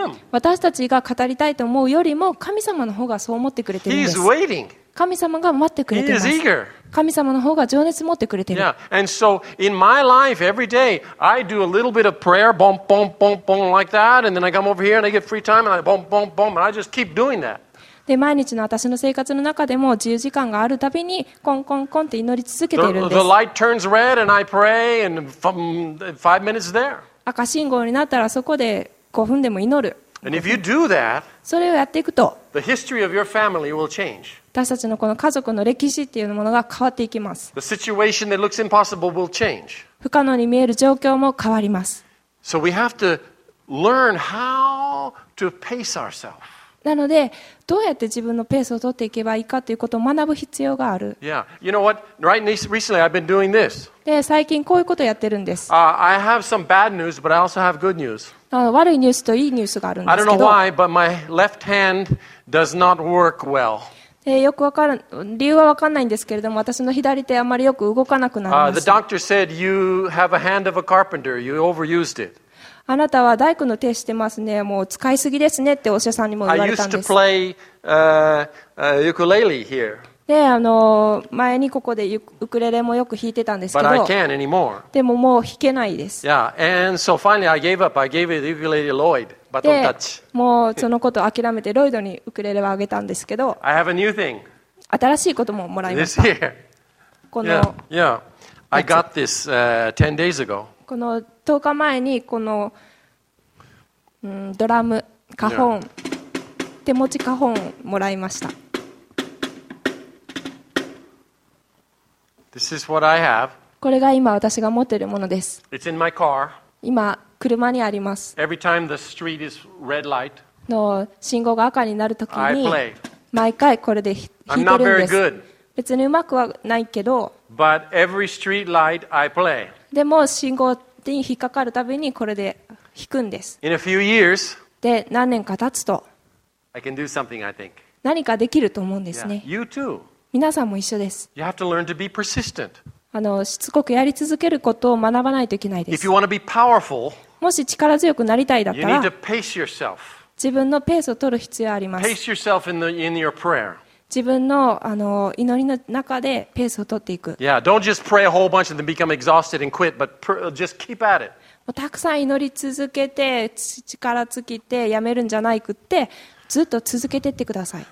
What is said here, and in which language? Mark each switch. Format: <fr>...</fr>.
<ja>私たちが語りたいと思うよりも、神様の方がそう思ってくれているんです。</ja> <en>He's waiting.</en> <ja>神様が待ってくれています。</ja> <en>He is eager.</en> <ja>神様の方が情熱持ってくれている。</ja> <en>Yeah. And so in my life, every day, I do a little bit of prayer, boom, boom, boom, boom, like that, and then I come over here and I get free time, and I boom, boom, boom, and I just keep doing that.</en> <ja>で毎日の私の生活の中でも自由時間があるたびにコンコンコンって祈り続けているんです。</ja> <en>The light turns red and I pray and from five minutes there.</en> <ja>赤信号になったらそこで5分でも祈る。</ja> <en>And if you do that,</en> <ja>それをやっていくと、</ja> <en>the history of your family will change.</en> <ja>私たちのこの家族の歴史っていうものが変わっていきます。</ja> <en>The situation that looks impossible will change.</en> <ja>不可能に見える状況も変わります。</ja> <en>So we have to learn how to pace ourselves.</en> <ja>なのでどうやって自分のペースを取っていけばいいかということを学ぶ必要がある。</ja> <en>Yeah, you know what? Right recently, I've been doing this.</en> <ja>で最近こういうことをやってるんです。</ja> <en>I have some bad news, but I also have good news.</en> <ja>悪いニュースといいニュースがあるんですけど。</ja> <en>I don't know why, but my left hand does not work well.</en> <ja>でよくわかる理由はわかんないんですけれども、私の左手あまりよく動かなくなります。</ja> <en>The doctor said you have a hand of a carpenter. You overused it.</en> <ja>あなたは大工の手してますね。もう使いすぎですねってお医者さんにも言われたんです。</ja> <en>I used to play ukulele here.</en> <ja>で、前にここでウクレレもよく弾いてたんですけど。</ja> <en>But I can't anymore.</en> <ja>でももう弾けないです。</ja> <en>Yeah, and so finally I gave up. I gave the ukulele to Lloyd, but don't touch.</en> <ja>もうそのことを諦めてロイドにウクレレはあげたんですけど。</ja> <en>I have a new thing.</en> <ja>新しいことももらいました。</ja> <en>This year.</en> <ja>この。</ja> <en>Yeah, yeah. I got this 10 days ago.</en> <ja>この10日前にこの、ドラム、カホン、手持ちカホンもらいました。</ja> <en>This is what I have.</en> <ja>これが今私が持っているものです。</ja> <en>It's in my car.</en> <ja>今、車にあります。</ja> <en>Every time the street is red light,</en> <ja>の信号が赤になるときに、</ja> <en>I play.</en> <ja>毎回これで弾いてるんです。</ja> <en>I'm not very good.</en> <ja>別にうまくはないけど、</ja> <en>But every street light I play.</en> <ja>でも信号に引っかかるたびにこれで弾くんです。</ja> <en>In a few years,</en> <ja>で何年か経つと</ja> <en>I can do something, I think.</en> <ja>何かできると思うんですね。</ja> <en>Yeah, you too.</en> <ja>皆さんも一緒です。</ja> <en>You have to learn to be persistent.</en> <ja>しつこくやり続けることを学ばないといけないです。</ja> <en>If you want to be powerful,</en> <ja>もし力強くなりたいだったら</ja> <en>you need to pace yourself.</en> <ja>自分のペースを取る必要があります。</ja> <en>Pace yourself in your prayer.</en> <ja>自分の祈りの中でペースを取っていく。</ja> <en>Yeah, don't just pray a whole bunch and then become exhausted and quit, but just keep at it.</en> <ja>たくさん祈り続けて力尽きてやめるんじゃないくってずっと続けてってください。</ja>